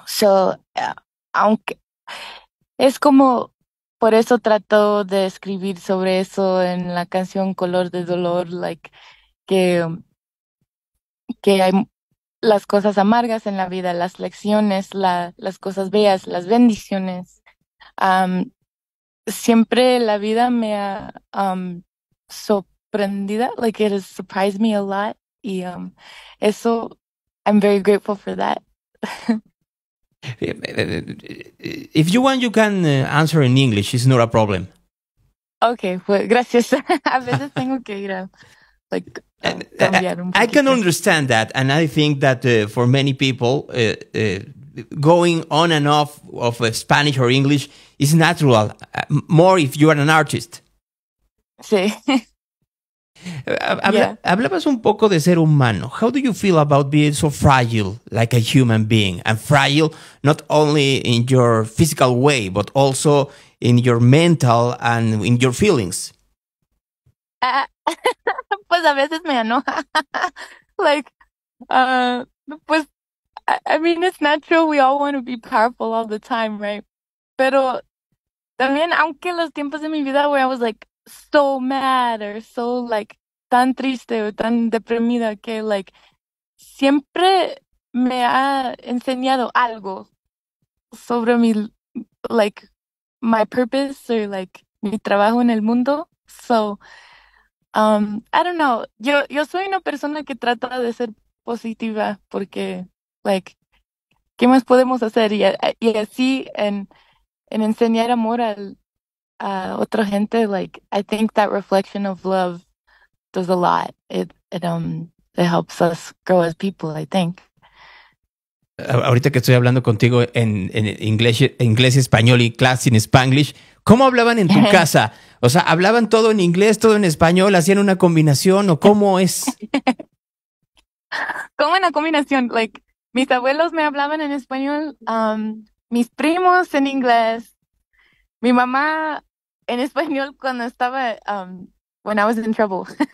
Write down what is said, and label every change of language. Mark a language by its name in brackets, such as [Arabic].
[Spanish] So, aunque es como por eso trato de escribir sobre eso en la canción Color de Dolor, like que hay las cosas amargas en la vida, las lecciones, las cosas bellas, las bendiciones. Siempre la vida me ha sorprendido, [English] like it has surprised me a lot, [Spanish] y eso, [English] I'm very grateful for that. If you want, you can answer in English. It's not a problem. Okay, well, gracias. [Spanish] A veces tengo que ir a, like, cambiar un poquito. [English] I can understand that, and I think that for many people, going on and off of Spanish or English is natural, more if you are an artist. [Spanish] Sí. Hablabas un poco de ser humano. [English] How do you feel about being so fragile, like a human being? And fragile, not only in your physical way, but also in your mental and in your feelings. [Spanish] Pues a veces me enoja. Like, pues, [English] I mean, it's natural. We all want to be powerful all the time, right? [Spanish] Pero también, aunque los tiempos de mi vida [English] where I was like so mad or so like [Spanish] tan triste o tan deprimida que like siempre me ha enseñado algo sobre mi like [English] my purpose [Spanish] or like mi trabajo en el mundo. [English] So I don't know. [Spanish] Yo soy una persona que trata de ser positiva porque like ¿qué más podemos hacer? Y así en enseñar amor al otra gente, [English] like I think that reflection of love does a lot. It helps us grow as people, I think. [Spanish] Ahorita que estoy hablando contigo en inglés y español y clase en Spanglish, ¿cómo hablaban en tu casa? O sea, ¿hablaban todo en inglés, todo en español? ¿Hacían una combinación o cómo es? ¿Cómo una combinación? Like, mis abuelos me hablaban en español, mis primos en inglés, mi mamá en español cuando estaba... [English] when I was in trouble.